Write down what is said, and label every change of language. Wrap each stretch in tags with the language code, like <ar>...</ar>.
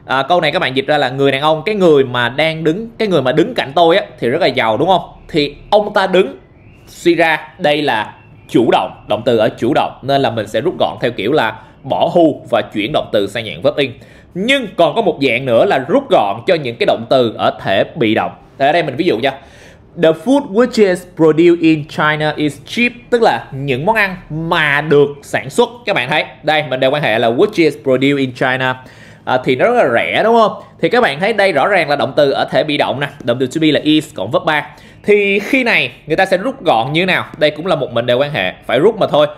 <vi>Câu này các bạn dịch ra là người đàn ông, cái người mà đang đứng, cái người mà đứng cạnh tôi á thì rất là giàu đúng không? Thì ông ta đứng, suy ra đây là chủ động, động từ ở chủ động, nên là mình sẽ rút gọn theo kiểu là bỏ who và chuyển động từ sang dạng verb in. Nhưng còn có một dạng nữa là rút gọn cho những cái động từ ở thể bị động. Thì ở đây mình ví dụ nha.</vi> <en>The food which is produced in China is cheap.</en> <vi>Tức là những món ăn mà được sản xuất. Các bạn thấy, đây mình đều quan hệ là</vi> <en>which is produced in China</en> <vi>thì nó rất là rẻ đúng không? Thì các bạn thấy đây rõ ràng là động từ ở thể bị động nè. Động từ to be là is cộng verb 3. Thì khi này người ta sẽ rút gọn như thế nào? Đây cũng là một mệnh đề quan hệ, phải rút mà thôi.</vi>